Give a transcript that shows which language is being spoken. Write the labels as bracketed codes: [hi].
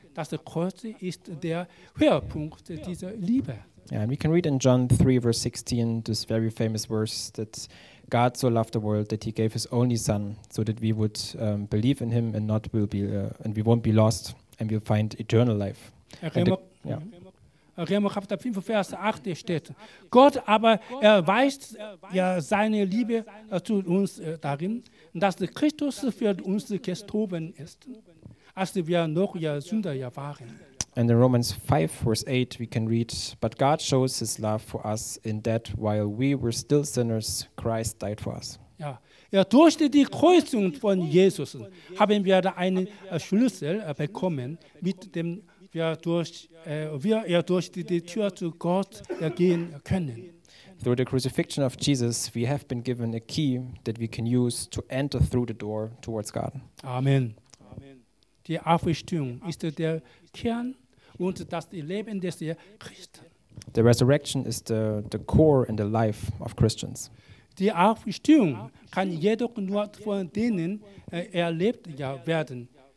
[de] Das Kreuz ist der Höhepunkt dieser Liebe. [en] Yeah, and we can read in John 3, verse 16, this very famous verse, that God so loved the world that he gave his only son, so that we would believe in him and not will be and we won't be lost and we'll find eternal life. [de] Römer, Römer Kapitel 5, Vers 8 steht. Gott aber erweist ja seine Liebe zu uns darin, dass Christus für uns gestorben ist, als wir noch ja Sünder waren. [en] And in Romans 5, verse 8, we can read, but God shows his love for us in that while we were still sinners, Christ died for us. [de] Ja, durch die Kreuzung von Jesus haben wir einen Schlüssel bekommen, mit dem wir durch die Tür zu Gott gehen können. [en] Through the crucifixion of Jesus, we have been given a key that we can use to enter through the door towards God. Amen. [de] Die Auferstehung ist der Kern und das Leben des Christen. [en] The resurrection is the core and the life of Christians. [de] Die Auferstehung kann jedoch nur von denen erlebt werden.